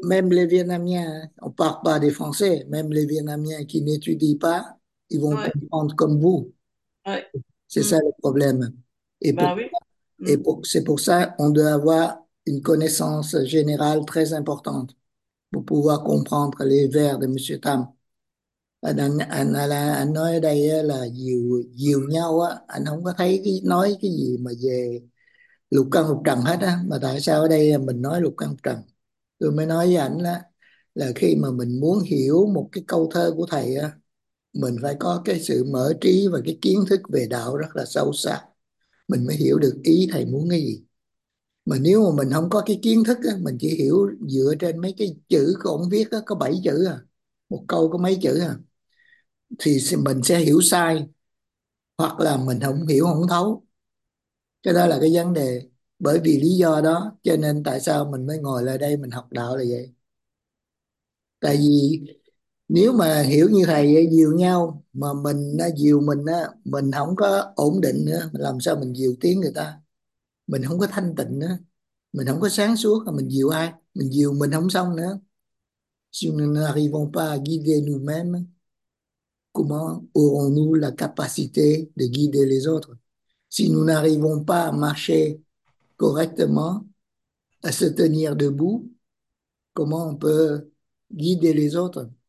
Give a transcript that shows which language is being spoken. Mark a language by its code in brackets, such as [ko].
[fr] même les Vietnamiens, on ne parle pas des Français, même les Vietnamiens qui n'étudient pas, ils vont comprendre comme vous. C'est ça le problème. Et Bah pour oui. c'est pour ça qu'on doit avoir une connaissance générale très importante pour pouvoir comprendre les vers de M. Tam. [vi] Anh nói đây là dìu dìu nhau á, anh không có thấy nói cái gì mà về lục căn lục trần hết á, mà tại sao ở đây mình nói lục căn lục trần? Tôi mới nói với ảnh là khi mà mình muốn hiểu một cái câu thơ của thầy á, mình phải có cái sự mở trí và cái kiến thức về đạo rất là sâu sắc. mình mới hiểu được ý thầy muốn cái gì. Mà nếu mà mình không có cái kiến thức á, mình chỉ hiểu dựa trên mấy cái chữ của ông viết á, có 7 chữ à, một câu có mấy chữ à, thì mình sẽ hiểu sai hoặc là mình không hiểu không thấu. Cái đó là cái vấn đề. Bởi vì lý do đó cho nên tại sao mình mới ngồi lại đây mình học đạo là vậy. Tại vì nếu mà hiểu như thầy dìu nhau mà mình dìu mình á, mình không có ổn định nữa, làm sao mình dìu tiếng người ta, mình không có thanh tịnh nữa, mình không có sáng suốt, mà mình dìu ai, mình dìu mình không xong nữa. [fr] Si nous n'arrivons pas à guider nous-mêmes, comment aurons-nous la capacité de guider les autres? Si nous n'arrivons pas à marcher correctement, à se tenir debout, comment on peut guider les autres?